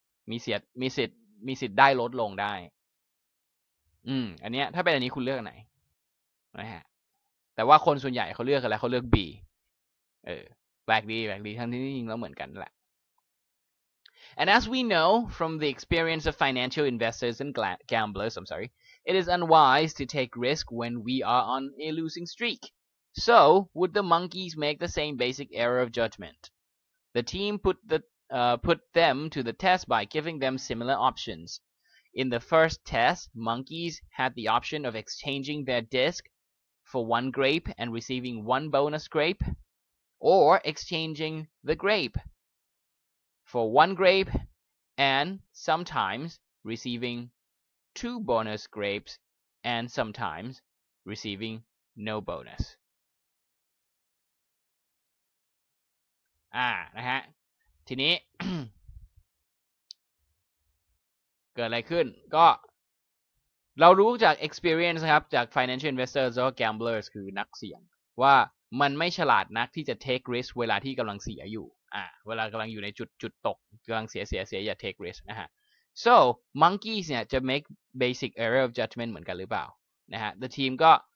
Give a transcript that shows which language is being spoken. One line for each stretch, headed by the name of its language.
Thai: มีสิทธิ์ได้ลดลงได้อันเนี้ยถ้าเป็นอันนี้คุณเลือกไหนนะฮะแต่ว่าคนส่วนใหญ่เขาเลือกอะไรเขาเลือก B แปลกดีทั้งที่จริงแล้วเหมือนกันแหละ
English: And as we know from the experience of financial investors and gamblers, it is unwise to take risk when we are on a losing streak. So, would the monkeys make the same basic error of judgment? The team put them to the test by giving them similar options. In the first test, monkeys had the option of exchanging their disc for one grape and receiving one bonus grape, or exchanging the grape for one grape and sometimes receiving two bonus grapes and sometimes receiving no bonus.
Thai: นะฮะทีนี้ เกิดอะไรขึ้นก็เรารู้จาก experience ครับจาก
English: financial investors or gamblers
Thai: คือนักเสี่ยงว่ามันไม่ฉลาดนักที่จะ
English: take risk
Thai: เวลาที่กำลังเสียอยู่เวลากำลังอยู่ในจุดตกกำลังเสียอย่า take risk นะฮะ
English: so monkeys
Thai: เนี่ยจะ
English: make basic error of judgment
Thai: เหมือนกันหรือเปล่านะฮะ
English: the team
Thai: ก็